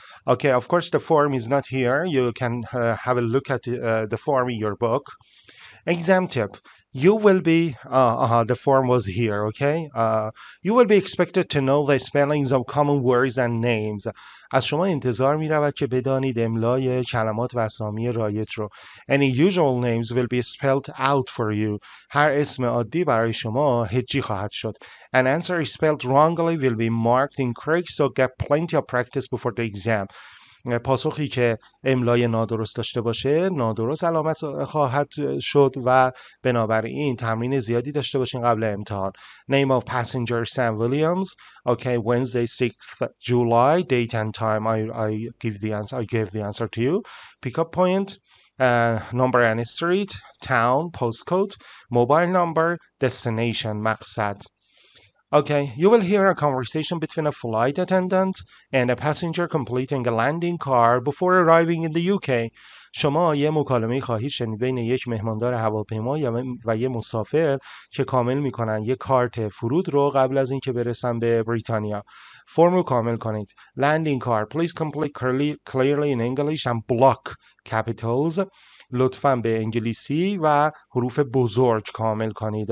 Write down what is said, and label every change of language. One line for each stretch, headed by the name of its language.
English: Okay, of course, the form is not here. You can have a look at the form in your book. Exam tip. You will be, the form was here, okay? You will be expected to know the spellings of common words and names.
Persian: از شما انتظار می رود که بدانید املای کلمات و اسامی رایج رو.
English: Any usual names will be spelled out for you.
Persian: هر اسم عادی برای شما هجی خواهد شد.
English: An answer spelled wrongly will be marked incorrect, so get plenty of practice before the exam.
Persian: پاسخی که املای نادرست داشته باشه نادرست علامت خواهد شد و بنابراین تمرین زیادی داشته باشین قبل امتحان.
English: Name of passenger Sam Williams. Okay, Wednesday 6th July. Date and time I gave the answer to you. Pickup point, number and street, town, postcode, mobile number, destination, مقصد. Okay, you will hear a conversation between a flight attendant and a passenger completing a landing car before arriving in the UK.
Persian: شما یه مکالمه خواهید شنید بین یک مهماندار هواپیما و یه مسافر که کامل میکنن یه کارت فرود رو قبل از اینکه برسن به بریتانیا. فرم رو کامل کنید.
English: Landing car, please complete clearly in English and block capitals.
Persian: لطفاً به انگلیسی و حروف بزرگ کامل کنید.